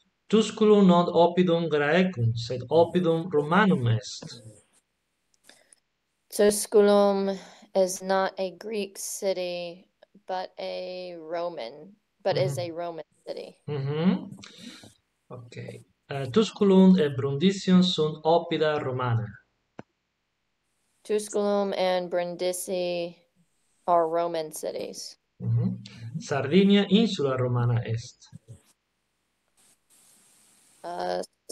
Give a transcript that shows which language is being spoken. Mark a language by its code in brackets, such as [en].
[la] Tusculum non oppidum Graecum, sed oppidum Romanum est. [en] Tusculum is not a Greek city, but is a Roman city. Okay. [la] Tusculum et Brundisium sunt oppida Romana. [en] Tusculum and Brindisi are Roman cities. [la] Sardinia insula Romana est.